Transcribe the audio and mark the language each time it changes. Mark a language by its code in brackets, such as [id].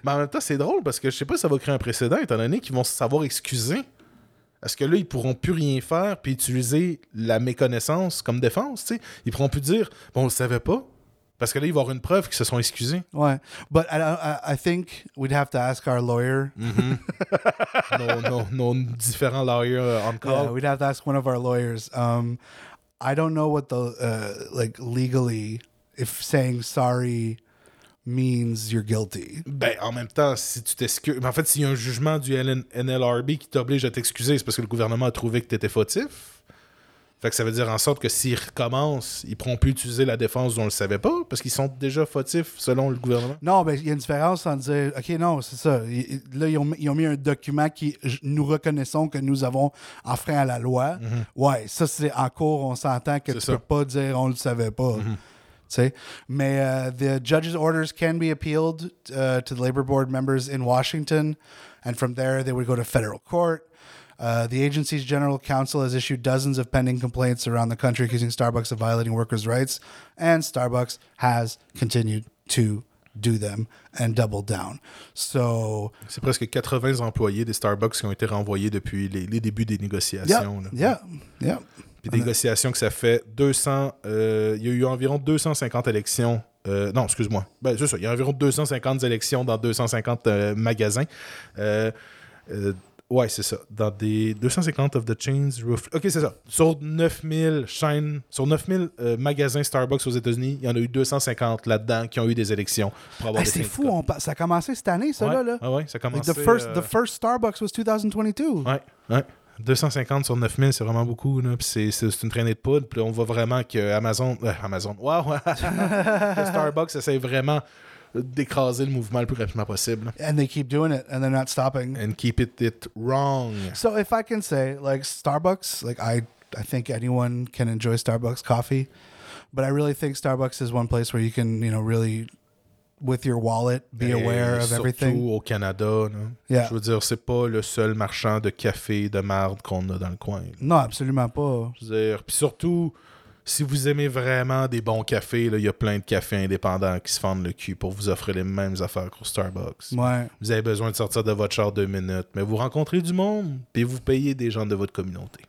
[fr] Mais en même temps, c'est drôle parce que je sais pas si ça va créer un précédent étant donné qu'ils vont se savoir excuser. Est-ce que là, ils pourront plus rien faire puis utiliser la méconnaissance comme défense, tu sais? Ils pourront plus dire « Bon, on le savait pas. » Parce que là, ils vont avoir une preuve qu'ils se sont excusés. Ouais. [en] But I think we'd have to ask our lawyer. [fr] Mm-hmm. Nos différents lawyers [en] on call. Yeah, we'd have to ask one of our lawyers. I don't know what the, legally, if saying sorry means you're guilty. [fr] Ben, en même temps, si tu t'excuses... En fait, s'il y a un jugement du NLRB qui t'oblige à t'excuser, c'est parce que le gouvernement a trouvé que t'étais fautif. Fait que ça veut dire en sorte que s'ils recommencent, ils pourront plus utiliser la défense dont on le savait pas, parce qu'ils sont déjà fautifs, selon le gouvernement. Non, ben, il y a une différence en dire... OK, non, c'est ça. Ils ont mis un document qui... Nous reconnaissons que nous avons enfreint à la loi. Mm-hmm. Ouais, ça, c'est en cours, on s'entend que c'est tu ça. Peux pas dire on le savait pas. Mm-hmm. T'sais? [en] Mais the judge's orders can be appealed to the labor board members in Washington, and from there they would go to federal court. The agency's general counsel has issued dozens of pending complaints around the country accusing Starbucks of violating workers' rights, and Starbucks has continued to do them and double down. So, [fr] c'est presque 80 employés des Starbucks qui ont été renvoyés depuis les débuts des négociations. [en] Yeah, [fr] là. [en] Yeah, yeah. [fr] Puis négociation que ça fait 200... Il y a eu environ 250 élections... non, excuse-moi. Ben, c'est ça. Il y a environ 250 élections dans 250 magasins. Ouais, c'est ça. Dans des 250 [en] of the chains... [fr] OK, c'est ça. Sur 9000 chaînes... Sur 9000 magasins Starbucks aux États-Unis, il y en a eu 250 là-dedans qui ont eu des élections. Pour avoir hey, des c'est syndicats. Fou. Ça a commencé cette année, ça, ouais. Là. Ah ouais, ça a commencé... [en] The first Starbucks was 2022. [fr] Ouais, ouais. 250 sur 9000, c'est vraiment beaucoup. Là. Puis c'est une traînée de poudre. Puis on voit vraiment que Amazon. Wow! Starbucks essaie vraiment d'écraser le mouvement le plus rapidement possible. [en] And they keep doing it and they're not stopping. And keep it wrong. So if I can say, like, Starbucks, like, I think anyone can enjoy Starbucks coffee. But I really think Starbucks is one place where you can, you know, really, with your wallet, be et aware of everything. [fr] Surtout au Canada. Non? [en] Yeah. [fr] Je veux dire, c'est pas le seul marchand de café de marde qu'on a dans le coin. Là. Non, absolument pas. Je veux dire, puis surtout, si vous aimez vraiment des bons cafés, il y a plein de cafés indépendants qui se fendent le cul pour vous offrir les mêmes affaires qu'au Starbucks. Ouais. Vous avez besoin de sortir de votre char 2 minutes, mais vous rencontrez du monde, puis vous payez des gens de votre communauté.